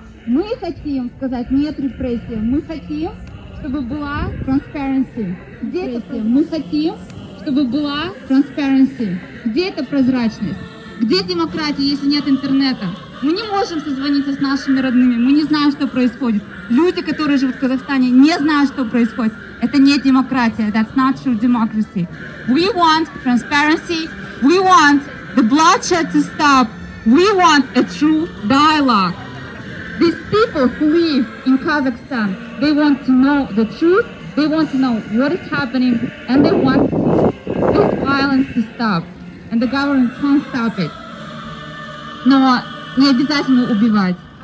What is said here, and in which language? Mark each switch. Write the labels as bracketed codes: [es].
[ru] Мы хотим сказать нет репрессиям, мы хотим, чтобы была transparency. Где это? Мы хотим, чтобы была transparency. Где эта прозрачность? Где демократия, если нет интернета? Мы не можем созвониться с нашими родными, мы не знаем, что происходит. Люди, которые живут в Казахстане, не знают, что происходит. Это не демократия. [en] That's not true democracy. We want transparency. We want the bloodshed to stop. We want a true dialogue. These people who live in Kazakhstan, they want to know the truth. They want to know what is happening. And they want this violence to stop. And the government can't stop it. [ru] Но не обязательно убивать.